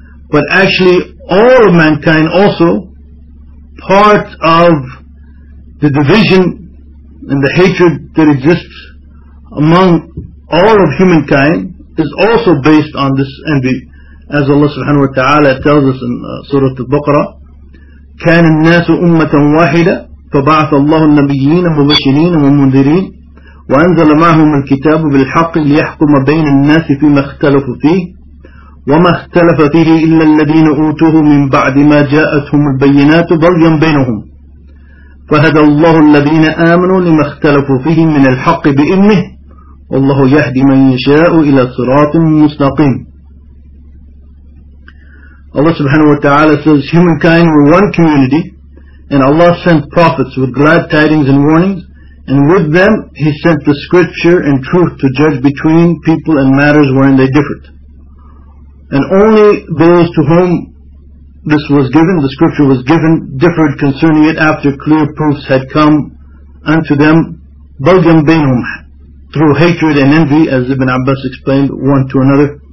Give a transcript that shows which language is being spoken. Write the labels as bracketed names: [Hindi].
[English] But actually, all of mankind also, part of the division and the hatred that exists among all of humankind is also based on this envy. As Allah subhanahu wa ta'ala tells us in Surah Al-Baqarah, [Arabic] كَانَ النَّاسُ أُمَّةً وَاحِدًا فَبَعَثَ اللَّهُ النَّبِيِّينَ مُبَشِّرِينَ وَمُنذِرِينَ وَأَنزَلَ مَعَهُمُ الْكِتَابَ بِالْحَقِّ لِيَحْكُمَ بَيْنَ النَّاسِ فِيمَا اخْتَلَفُوا فِيهِ وَمَا اخْتَلَفَ فِيهِ إِلَّا الَّذِينَ أُوتُوهُ مِن بَعْدِ مَا جَاءَتْهُمُ الْبَيِّنَاتُ بَغْيًا بَيْنَهُمْ فَهَدَى اللَّهُ الَّذِينَ آمَنُوا لِمَا اخْتَلَفُوا فِيهِ مِنَ الْحَقِّ بِإِذْنِهِ وَاللَّهُ يَهْدِي مَن يَشَاءُ إِلَى صِرَاطٍ مُّسْتَقِيمٍ. [English] Allah subhanahu wa ta'ala says, humankind were one community, and Allah sent prophets with glad tidings and warnings, and with them He sent the scripture and truth to judge between people and matters wherein they differed. And only those to whom this was given, the scripture was given, differed concerning it after clear proofs had come unto them, [Arabic] bulgam bainum, [English] through hatred and envy, as Ibn Abbas explained, one to another.